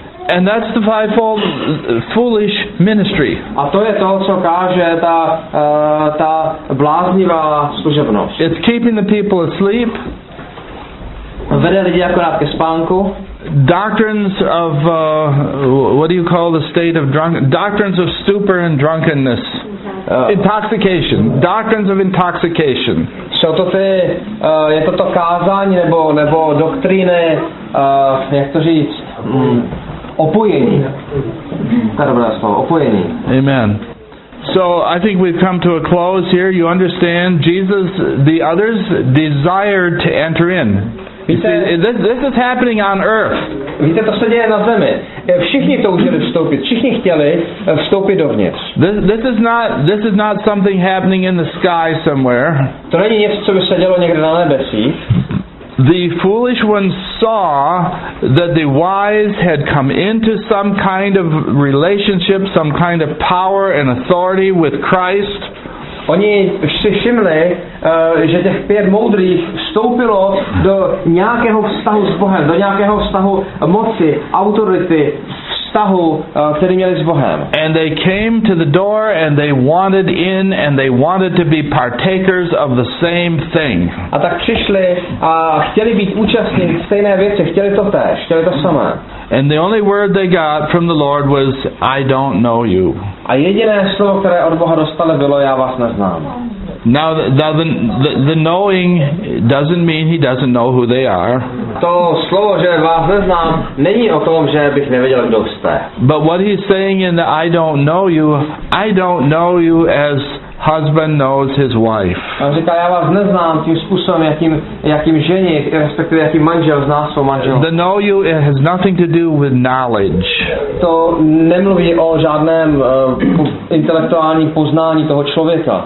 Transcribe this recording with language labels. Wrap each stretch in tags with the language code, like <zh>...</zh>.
<en>And that's the fivefold foolish ministry.</en> <cs>A to je to, co káže ta bláznivá služebnost.</cs> <en>It's keeping the people asleep.</en> <cs>Vede lidi akorát ke spánku.</cs> <en>Doctrines of what do you call the state of drunk? Doctrines of stupor and drunkenness, intoxication. Doctrines of intoxication.</en> <cs>Jsou to ty, je to kázání nebo doktríny, jak to říct, opojení. Dobré slovo, opojení. Amen.</cs> <en>So I think we've come to a close here. You understand, Jesus, the others desired to enter in.</en> <cs>Víte,</cs> <en>see, this is happening on earth.</en> <cs>Víte, to se děje na zemi. Všichni toužili vstoupit. Všichni chtěli vstoupit dovnitř.</cs> <en>This is not something happening in the sky somewhere.</en> <cs>To není něco, co by se dělo někde na nebesích.</cs> <en>The foolish ones saw that the wise had come into some kind of relationship, some kind of power and authority with Christ.</en> <cs>Oni si všimli, že těch pět moudrých vstoupilo do nějakého vztahu s Bohem, do nějakého vztahu moci, autority, vztahu, který měli s Bohem.</cs> <en>And they came to the door and they wanted in and they wanted to be partakers of the same thing.</en> <cs>A tak přišli a chtěli být účastní stejné věci, chtěli to též, chtěli to samé.</cs> <en>And the only word they got from the Lord was, I don't know you.</en> <cs>A jediné slovo, které od Boha dostali, bylo, já vás neznám.</cs> <en>Now the knowing doesn't mean he doesn't know who they are.</en> <cs>To slovo, že vás neznám, není o tom, že bych nevěděl, kdo jste.</cs> <en>But what he's saying in the I don't know you as husband knows his wife.</en> <cs>On říká, já vás neznám tím způsobem, jakým ženě, respektive jakým manžel zná svou manželku.</cs> <en>The know you has nothing to do with knowledge.</en> <cs>To nemluví o žádném intelektuálním poznání toho člověka.</cs>